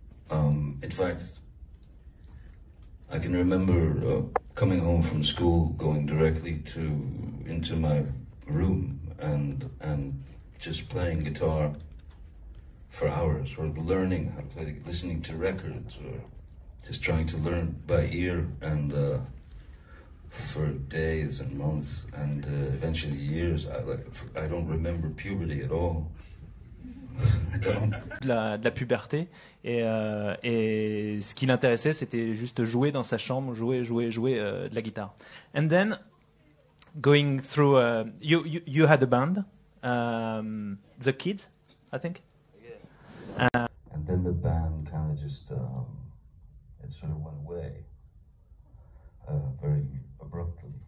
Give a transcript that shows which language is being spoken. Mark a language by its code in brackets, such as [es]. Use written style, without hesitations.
[en] In fact, I can remember coming home from school, going directly into my room and just playing guitar for hours, or learning how to play, listening to records, or just trying to learn by ear, and for days and months, and eventually years. I don't remember puberty at all. [fr] De la puberté, et ce qui l'intéressait, c'était juste jouer dans sa chambre, jouer de la guitare. [en] And then going through, you had a band, the kids, I think. And then the band kind of just, it sort of went away very abruptly.